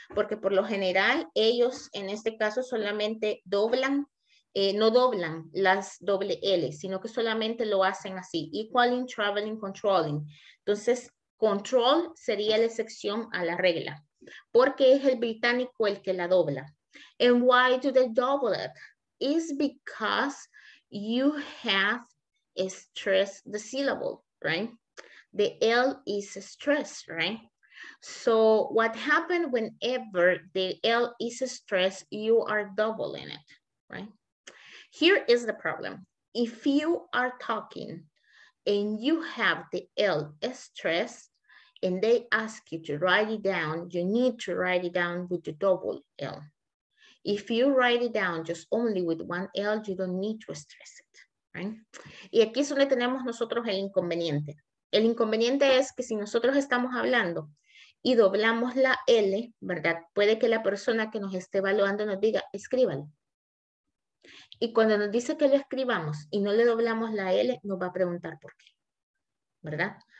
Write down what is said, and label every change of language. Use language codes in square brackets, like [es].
[es] Porque por lo general, ellos en este caso solamente doblan, no doblan las doble L, sino que solamente lo hacen así. Equaling, traveling, controlling. Entonces, control sería la excepción a la regla. Porque es el británico el que la dobla. [en] And why do they double it? It's because you have stress the syllable, right? The L is stress, right? So what happened whenever the L is stress, you are doubling it, right? Here is the problem. If you are talking and you have the L stress and they ask you to write it down, you need to write it down with the double L. If you write it down just only with one L, you don't need to stress it. [es] Right? Y aquí es donde tenemos nosotros el inconveniente. El inconveniente es que si nosotros estamos hablando y doblamos la L, ¿verdad? Puede que la persona que nos esté evaluando nos diga, escríbalo. Y cuando nos dice que lo escribamos y no le doblamos la L, nos va a preguntar por qué, ¿verdad?